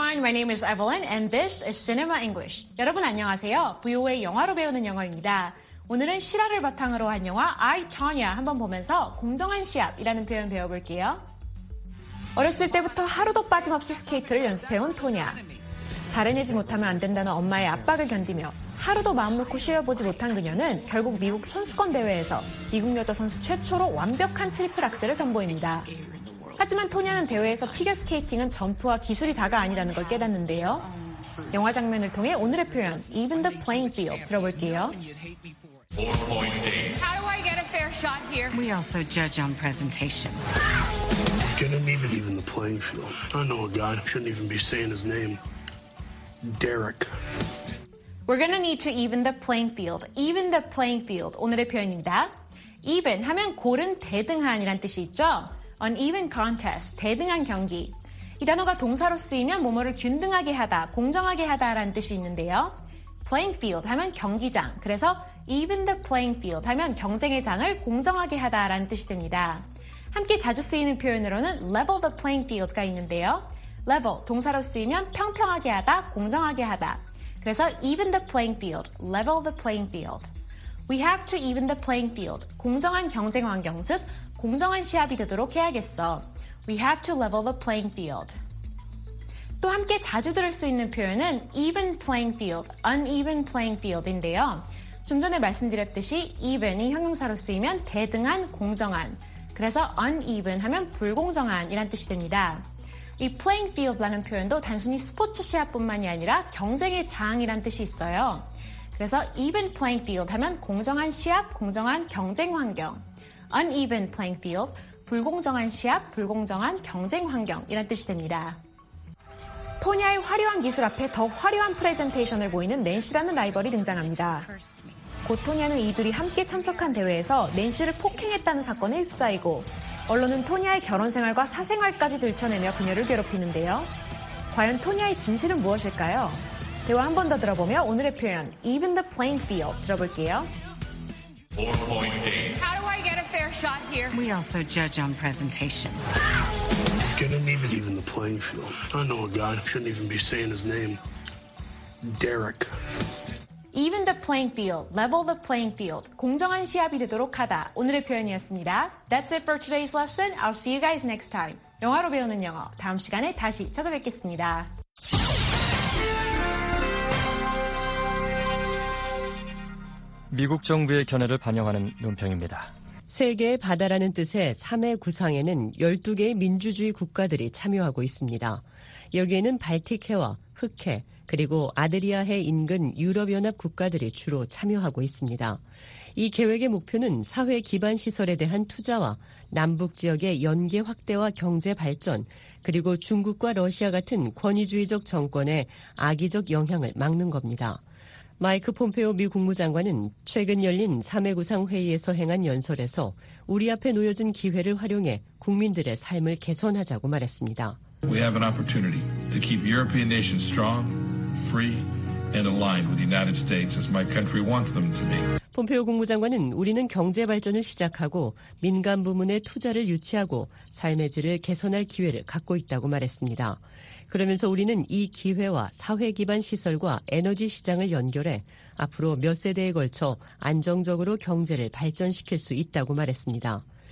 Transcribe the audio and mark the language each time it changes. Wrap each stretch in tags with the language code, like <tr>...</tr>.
<en>My name is Evelyn and this is Cinema English.</en> <ko>여러분 안녕하세요. VOA 영화로 배우는 영어입니다. 오늘은 실화를 바탕으로 한 영화 I, Tonya 한번 보면서 공정한 시합이라는 표현 배워볼게요. 어렸을 때부터 하루도 빠짐없이 스케이트를 연습해온 토냐. 잘해내지 못하면 안 된다는 엄마의 압박을 견디며 하루도 마음 놓고 쉬어보지 못한 그녀는 결국 미국 선수권 대회에서 미국 여자 선수 최초로 완벽한 트리플 악셀을 선보입니다. 하지만 토냐는 대회에서 피겨 스케이팅은 점프와 기술이 다가 아니라는 걸 깨닫는데요. 영화 장면을 통해 오늘의 표현</ko> <en>Even the playing field</en> <ko>들어볼게요. 4.8.</ko> <en>How do I get a fair shot here? We also judge on presentation. Can you even leave in the playing field? I know a guy. Shouldn't even be saying his name. Derek. We're gonna need to even the playing field. Even the playing field.</en> <ko>오늘의 표현입니다. Even 하면 고른 대등한이란 뜻이 있죠.</ko> <en>An even contest.</en> <ko>대등한 경기. 이 단어가 동사로 쓰이면 뭐뭐를 균등하게 하다, 공정하게 하다라는 뜻이 있는데요.</ko> <en>Playing field</en> <ko>하면 경기장. 그래서</ko> <en>even the playing field</en> <ko>하면 경쟁의 장을 공정하게 하다라는 뜻이 됩니다. 함께 자주 쓰이는 표현으로는</ko> <en>level the playing field</en> <ko>가 있는데요. level 동사로 쓰이면 평평하게 하다, 공정하게 하다. 그래서</ko> <en>even the playing field, level the playing field. We have to even the playing field.</en> <ko>공정한 경쟁 환경, 즉 공정한 시합이 되도록 해야겠어.</ko> <en>We have to level the playing field.</en> <ko>또 함께 자주 들을 수 있는 표현은</ko> <en>even playing field, uneven playing field</en> <ko>인데요. 좀 전에 말씀드렸듯이 even이 형용사로 쓰이면 대등한, 공정한. 그래서 uneven 하면 불공정한이란 뜻이 됩니다. 이 playing field라는 표현도 단순히 스포츠 시합뿐만이 아니라 경쟁의 장이란 뜻이 있어요. 그래서</ko> <en>even playing field</en> <ko>하면 공정한 시합, 공정한 경쟁 환경.</ko> <en>uneven playing field,</en> <ko>불공정한 시합, 불공정한 경쟁 환경이란 뜻이 됩니다. 토냐의 화려한 기술 앞에 더 화려한 프레젠테이션을 보이는 낸시라는 라이벌이 등장합니다. 곧 토냐는 이들이 함께 참석한 대회에서 낸시를 폭행했다는 사건에 휩싸이고 언론은 토냐의 결혼 생활과 사생활까지 들춰내며 그녀를 괴롭히는데요. 과연 토냐의 진실은 무엇일까요? 대화 한 번 더 들어보며 오늘의 표현</ko> <en>Even the playing field</en> <ko>들어볼게요. 4.8.</ko> <en>How do I get a fair shot here? We also judge on presentation. Can you even leave in the playing field? I know a guy. Shouldn't even be saying his name. Derek. Even the playing field. Level the playing field.</en> <ko>공정한 시합이 되도록 하다. 오늘의 표현이었습니다.</ko> <en>That's it for today's lesson. I'll see you guys next time.</en> <ko>영화로 배우는 영어. 다음 시간에 다시 찾아뵙겠습니다. (목소리) 미국 정부의 견해를 반영하는 논평입니다. 세계의 바다라는 뜻의 3회 구상에는 12개의 민주주의 국가들이 참여하고 있습니다. 여기에는 발틱해와 흑해, 그리고 아드리아해 인근 유럽연합 국가들이 주로 참여하고 있습니다. 이 계획의 목표는 사회 기반 시설에 대한 투자와 남북 지역의 연계 확대와 경제 발전, 그리고 중국과 러시아 같은 권위주의적 정권의 악의적 영향을 막는 겁니다. 마이크 폼페오 미 국무장관은 최근 열린 3회 구상 회의에서 행한 연설에서 우리 앞에 놓여진 기회를 활용해 국민들의 삶을 개선하자고 말했습니다.</ko> <en>We have an opportunity to keep European nations strong, free, and aligned with the United States as my country wants them to be.</en> <ko>폼페오 국무장관은 우리는 경제 발전을 시작하고 민간 부문의 투자를 유치하고 삶의 질을 개선할 기회를 갖고 있다고 말했습니다. 그러면서 우리는 이 기회와 사회 기반 시설과 에너지 시장을 연결해 앞으로 몇 세대에 걸쳐 안정적으로 경제를 발전시킬 수 있다고 말했습니다.</ko>